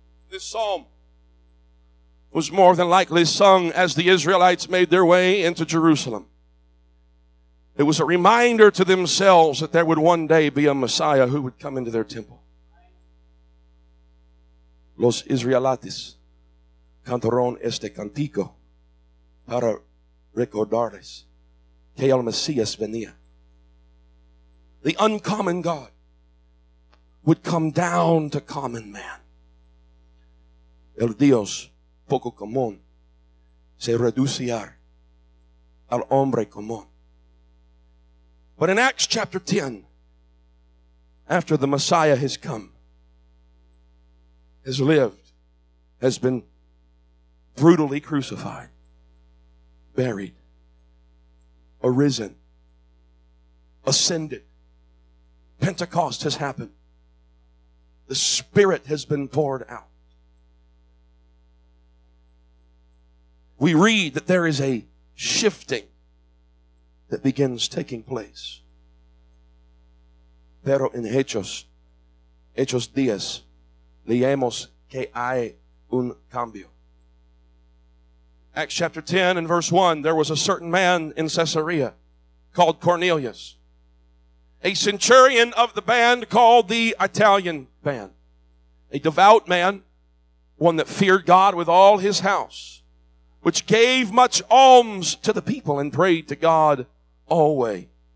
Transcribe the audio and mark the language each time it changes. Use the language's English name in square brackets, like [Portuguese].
[English] This psalm was more than likely sung as the Israelites made their way into Jerusalem. It was a reminder to themselves that there would one day be a Messiah who would come into their temple. [Spanish] Los Israelites cantaron este cantico para recordarles que el Mesías venía. [English] The uncommon God would come down to common man. [Spanish] El Dios poco común se reduce al hombre común. [English] But in Acts chapter 10, after the Messiah has come, has lived, has been brutally crucified, buried, arisen, ascended, Pentecost has happened, the Spirit has been poured out. We read that there is a shifting that begins taking place. [Spanish] Pero en Hechos 10, leemos que hay un cambio. [English] Acts chapter 10 and verse 1, there was a certain man in Caesarea called Cornelius, a centurion of the band called the Italian band, a devout man, one that feared God with all his house, which gave much alms to the people and prayed to God always.